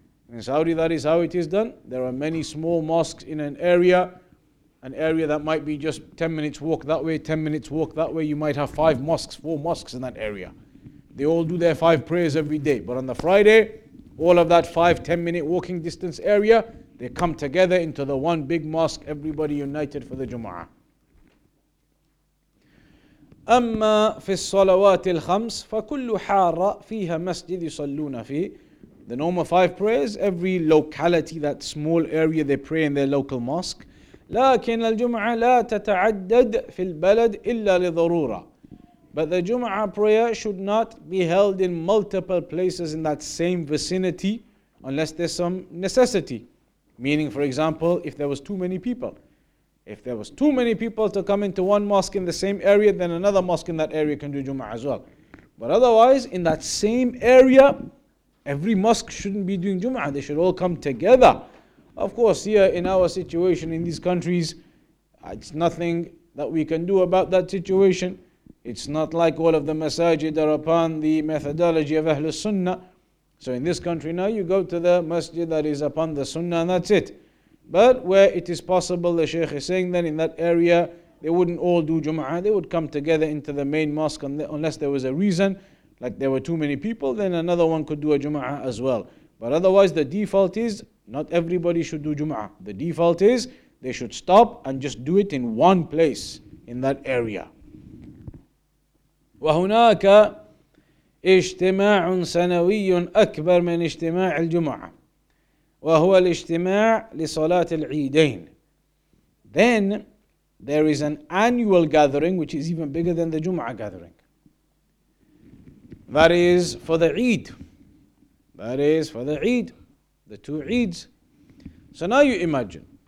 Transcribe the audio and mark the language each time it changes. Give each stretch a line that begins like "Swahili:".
English: In Saudi, that is how it is done. There are many small mosques in an area that might be just 10 minutes walk that way, 10 minutes walk that way. You might have five mosques, four mosques in that area. They all do their five prayers every day. But on the Friday, all of that 5-10 minute walking distance area, they come together into the one big mosque, everybody united for the Jumu'ah.
Arabic: أما في الصلوات الخمس فكل حارة فيها مسجد يصلون فيه.
English: The normal five prayers, every locality, that small area, they pray in their local mosque.
Arabic: لكن الجمعة لا تتعدد في البلد إلا لضرورة.
English: But the Jumu'ah prayer should not be held in multiple places in that same vicinity unless there's some necessity. Meaning, for example, if there was too many people. If there was too many people to come into one mosque in the same area, then another mosque in that area can do Jumu'ah as well. But otherwise, in that same area, every mosque shouldn't be doing Jumu'ah. They should all come together. Of course, here in our situation in these countries, it's nothing that we can do about that situation. It's not like all of the masajid are upon the methodology of Ahlul Sunnah. So in this country now, you go to the masjid that is upon the Sunnah and that's it. But where it is possible, the Shaykh is saying that in that area, they wouldn't all do Jumu'ah. They would come together into the main mosque unless there was a reason, like there were too many people, then another one could do a Jumu'ah as well. But otherwise, the default is not everybody should do Jumu'ah. The default is they should stop and just do it in one place in that area.
Arabic: وهناك اجتماع سنوي أكبر من اجتماع الجمعة وهو الاجتماع لصلاة العيدين.
English: Then there is an annual gathering which is even bigger than the Jumu'ah gathering. That is for the Eid. That is for the Eid, the two Eids. So now you imagine.